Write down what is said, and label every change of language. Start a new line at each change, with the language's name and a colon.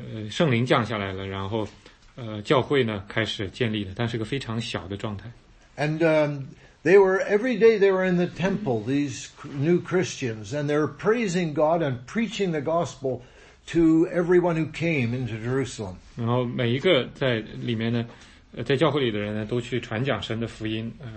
Chinese: 圣灵降下来了，然后教会呢开始建立了，但是个非常小的状态。
English: And they were every day they were in the temple, these new Christians, and they're praising God and preaching the gospel to everyone who came into Jerusalem.
Chinese: 然后每一个在里面呢，在教会里的人呢，都去传讲神的福音。